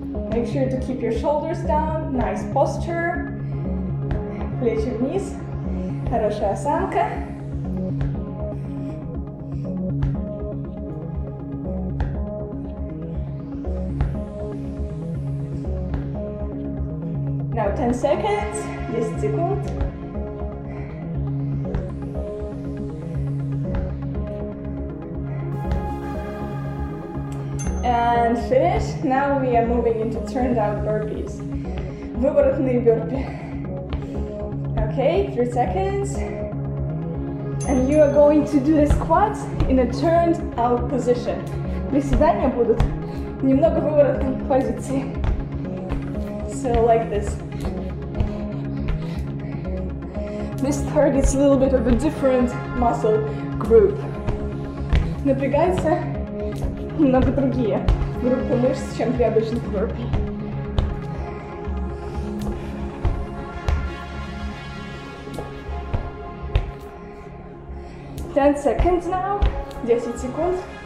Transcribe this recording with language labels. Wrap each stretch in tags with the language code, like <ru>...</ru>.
<en>Make sure to keep your shoulders down, nice posture.</en> <ru>Плечи вниз, хорошая осанка.</ru> <en>Now 10 seconds,</en> <ru>10 секунд.</ru> <en>And finish. Now we are moving into turned out burpees.</en> <ru>Выворотные бёрпи.</ru> <en>Okay, 3 seconds. And you are going to do the squats in a turned out position.</en> <ru>Приседания будут немного выворотной позиции.</ru> <en>So like this. This targets a little bit of a different muscle group.</en> <ru>Напрягается немного другие группы мышц, чем при обычных burpee.</ru> <en>Ten seconds now,</en> <ru>10 секунд.</ru>